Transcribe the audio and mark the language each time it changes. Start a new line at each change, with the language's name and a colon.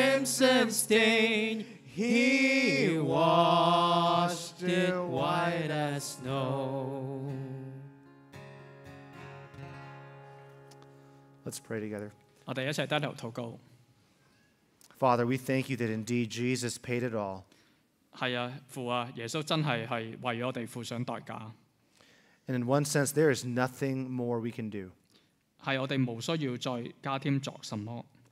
English: Stain, he washed it white as snow. Let's pray together.
Chinese: 我们一起低头祷告。
English: Father, we thank you that indeed Jesus paid it all.
Chinese: 是啊, 父啊, 耶稣真的是为我们付上代价。
English: And in one sense, there is nothing more we can do.
Chinese: 是我们无需要再加添作什么。